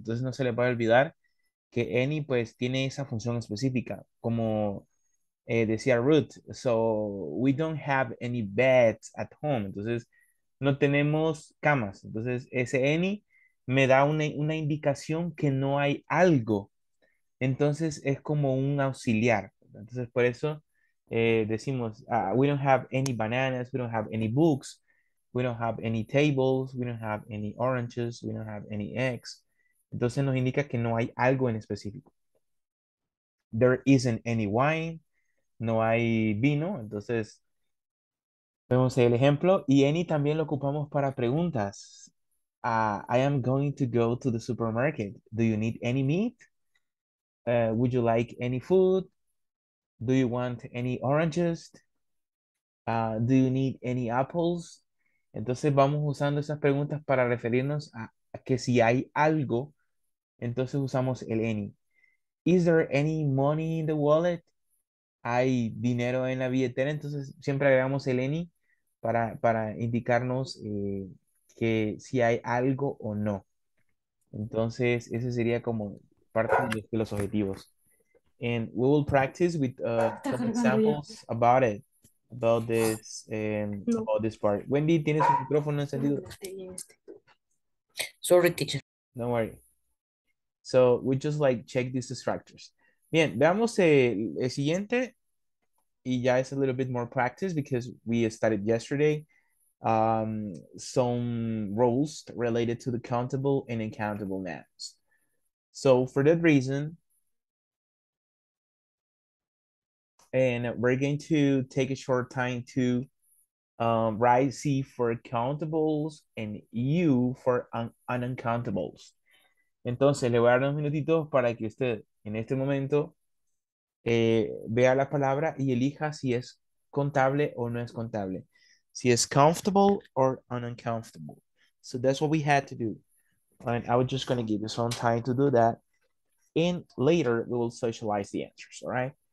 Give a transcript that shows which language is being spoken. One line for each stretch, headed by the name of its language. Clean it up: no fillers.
Spanish: Entonces no se le puede olvidar que any pues tiene esa función específica. Como decía
English: Ruth, so we don't have any beds at home.
Spanish: Entonces no tenemos camas. Entonces ese any me da una indicación que no hay algo. Entonces, es como un auxiliar. Entonces, por eso decimos,
English: we don't have any bananas, we don't have any books, we don't have any tables, we don't have any oranges, we don't have any eggs.
Spanish: Entonces, nos indica que no hay algo en específico.
English: There isn't any wine,
Spanish: no hay vino. Entonces, vemos el ejemplo. Y any también lo ocupamos para preguntas.
English: I am going to go to the supermarket. Do you need any meat? Would you like any food? Do you want any oranges? Do you need any apples?
Spanish: Entonces vamos usando esas preguntas para referirnos a que si hay algo, entonces usamos el any.
English: Is there any money in the wallet?
Spanish: ¿Hay dinero en la billetera? Entonces siempre agregamos el any para indicarnos que si hay algo o no. Entonces ese sería como parte de los objetivos.
English: And we will practice with some examples about it. About this, about this part. Wendy,
Spanish: ¿tienes su micrófono encendido?
English: Sorry, teacher. Don't worry. So, we just like check these structures.
Spanish: Bien, veamos el siguiente. Y ya es
English: a little bit more practice because we started yesterday. Some roles related to the countable and uncountable nouns. So, for that reason, and we're going to take a short time to write C for countables and U for uncountables.
Spanish: Entonces, le voy a dar unos minutitos para que usted, en este momento, vea la palabra y elija si es contable o no es contable. Si es
English: comfortable or uncomfortable. So that's what we had to do. And I was just going to give you some time to do that. And later, we will socialize the answers, all right?